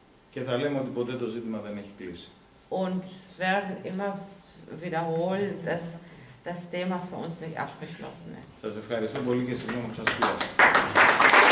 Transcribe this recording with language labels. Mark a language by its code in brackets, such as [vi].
[el] Και θα λέμε ότι ποτέ το ζήτημα δεν έχει κλείσει. [de] Und werden immer wiederholen, dass das Thema für uns nicht abgeschlossen ist. [el] Σας ευχαριστώ πολύ και συγγνώμη που σας πειράσα.